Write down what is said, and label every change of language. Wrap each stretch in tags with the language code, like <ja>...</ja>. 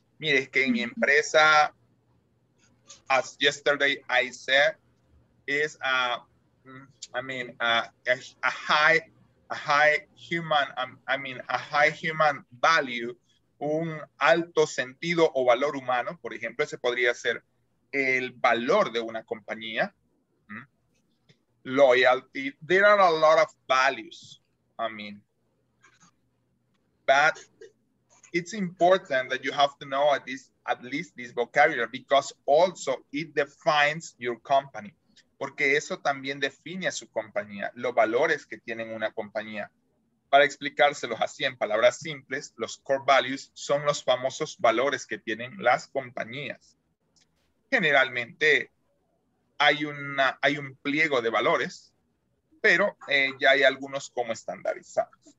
<es>Mire, es que en mi empresa,</es> <en>as yesterday I said, is a high human value,</en> <es>un alto sentido o valor humano, por ejemplo, ese podría ser el valor de una compañía.</es> <en>Loyalty, there are a lot of values, I mean, but it's important that you have to know at least this vocabulary, because also it defines your company.</en> <es>Porque eso también define a su compañía, los valores que tienen una compañía. Para explicárselos así en palabras simples, los core values son los famosos valores que tienen las compañías. Generalmente hay un pliego de valores, pero ya hay algunos como estandarizados.</es>